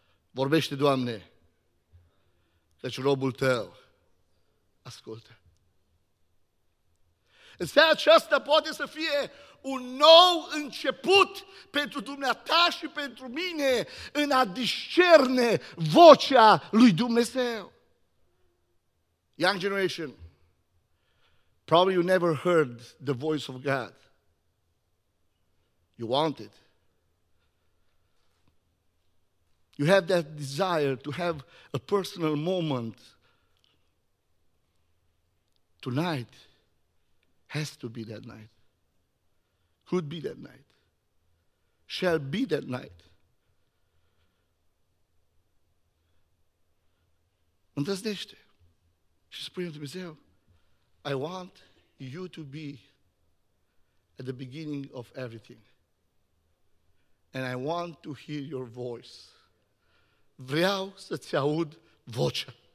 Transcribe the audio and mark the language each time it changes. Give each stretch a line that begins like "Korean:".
Romanian: Vorbește, Doamne, căci robul Tău ascultă. În seara aceasta poate să fie un nou început pentru dumneata și pentru mine în a discerne vocea lui Dumnezeu.
English: Young generation, probably you never heard the voice of God. You want it. You have that desire to have a personal moment. Tonight has to be that night. Could be that night, shall be that night.
Romanian: Îndrăznește și spune-mi Dumnezeu,
English: I want you to be at the beginning of everything. And I want to hear your voice.
Romanian: Vreau să-ți aud vocea.